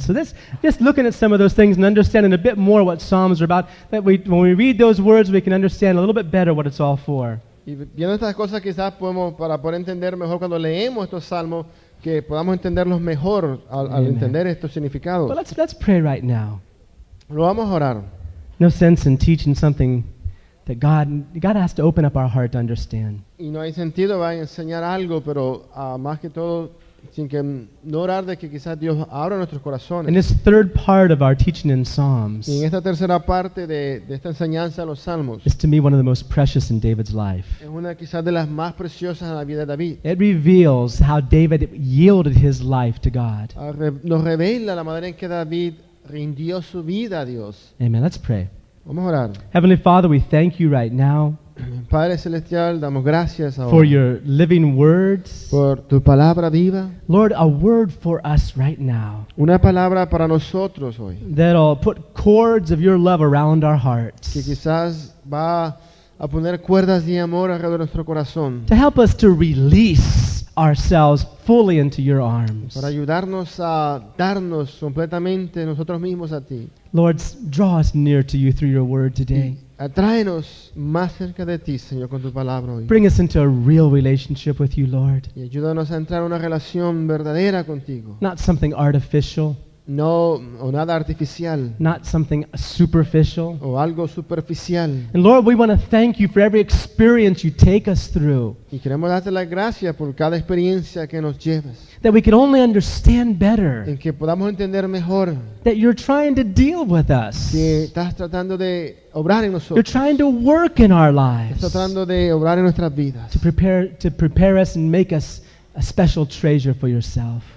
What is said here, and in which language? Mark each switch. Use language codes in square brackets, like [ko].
[en] So this, just looking at some of those things and understanding a bit more what psalms are about, that we, when we read those words, we can understand a little bit better what it's all for. [es] Y viendo estas cosas, quizás podemos, para poder entender mejor cuando leemos estos salmos, que podamos entenderlos mejor al entender estos significados. [en] Well, let's pray right now. [es] Lo vamos a orar. [en] No sense in teaching something that God has to open up our heart to understand. [es] Y no hay sentido va a enseñar algo, pero más que todo sin que no orar de que quizás Dios abra nuestros corazones. [en] In this third part of our teaching in Psalms. [es] Y en esta tercera parte de esta enseñanza de los Salmos. [en] It's to me one of the most precious in David's life. [es] Es una quizás de las más preciosas en la vida de David. [en] It reveals how David yielded his life to God. [es] Nos revela la manera en que David rindió su vida a Dios. [en] Amen. Let's pray. [es] Vamos a orar. [en] Heavenly Father, we thank you right now. [es] Padre celestial, damos gracias ahora. [en] For your living words. [es] Por tu palabra viva. [en] Lord, a word for us right now. [es] Una palabra para nosotros hoy. [en] That'll put cords of your love around our hearts. [es] Que quizás va a poner cuerdas de amor alrededor de nuestro corazón. [en] To help us to release ourselves fully into your arms. [es] Para ayudarnos a darnos completamente nosotros mismos a ti. [en] Lord, draw us near to you through your word today. [es] Atráenos más cerca de ti, Señor, con tu palabra hoy. [en] Bring us into a real relationship with you, Lord. [es] Y ayúdanos a entrar en una relación verdadera contigo. [en] Not something artificial. [es] No, o nada artificial. [en] Not something superficial. [es] O algo superficial. [en] And Lord, we want to thank you for every experience you take us through. [es] Y queremos darte la gracia por cada experiencia que nos llevas. [en] That we can only understand better. [es] En que podamos entender mejor. [en] That you're trying to deal with us. [es] Que estás tratando de obrar en nosotros. [en] You're trying to work in our lives. [es] Estás tratando de obrar en nuestras vidas. [en] To prepare us and make us a special treasure for yourself.